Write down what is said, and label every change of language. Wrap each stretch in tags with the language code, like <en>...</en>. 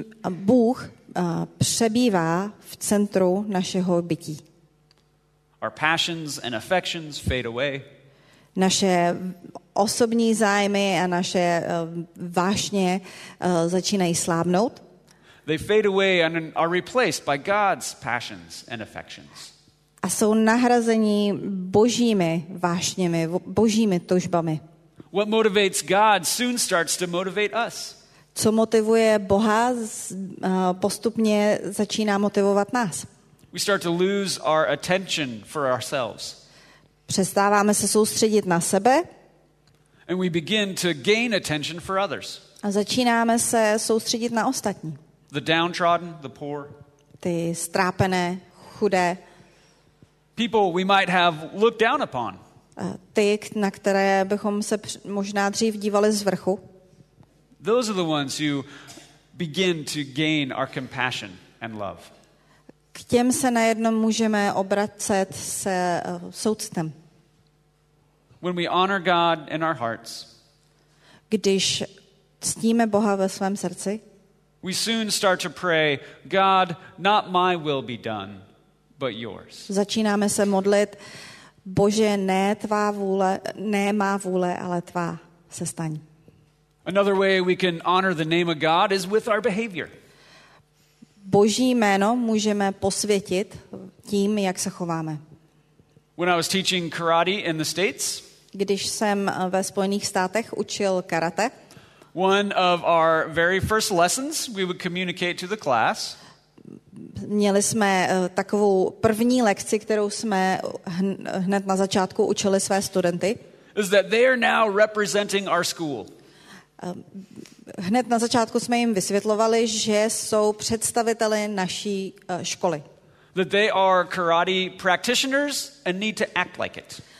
<cs>Bůh přebývá v centru našeho bytí.</cs> <en>Our passions and affections fade away.</en> <cs>Naše osobní zájmy a naše vášně začínají slábnout.</cs> <en>They fade away and are replaced by God's passions and affections.</en> <cs>A jsou nahrazeni Božími vášněmi, Božími tužbami.</cs> <en>What motivates God soon starts to motivate us.</en> <cs>Co motivuje Boha, postupně začíná motivovat nás.</cs> <en>We start to lose our attention for ourselves.</en> <cs>Přestáváme se soustředit na sebe.</cs> <en>And we begin to gain attention for others.</en> <cs>A začínáme se soustředit na ostatní.</cs> <en>The downtrodden, the poor.</en> <cs>Ty strápené, chudé.</cs> <en>People we might have looked down upon.</en> <cs>Ty, na které bychom se možná dřív dívali z vrchu.</cs> <en>Those are the ones who begin to gain our compassion and love.</en> <cs>K těm se najednou můžeme obracet se soucitem.</cs> <en>When we honor God in our hearts,</en> <cs>když ctíme Boha ve svém srdci,</cs> <en>we soon start to pray, God, not my will be done, but yours.</en> <cs>Začínáme se modlit, Bože, ne tvá vůle, ne má vůle, ale tvá se staň.</cs> <en>Another way we can honor the name of God is with our behavior.</en> <cs>Boží jméno můžeme posvětit tím, jak se chováme.</cs> <en>When I was teaching karate in the States,</en> <cs>když jsem ve Spojených státech učil karate,</cs> <en>one of our very first lessons we would communicate to the class,</en> <cs>měli jsme takovou první lekci, kterou jsme hned na začátku učili své studenty,</cs> <en>is that they are now representing our school.</en> <cs>Hned na začátku jsme jim vysvětlovali, že jsou představiteli naší školy.</cs> <en>That they are karate practitioners and need to act like it.</en>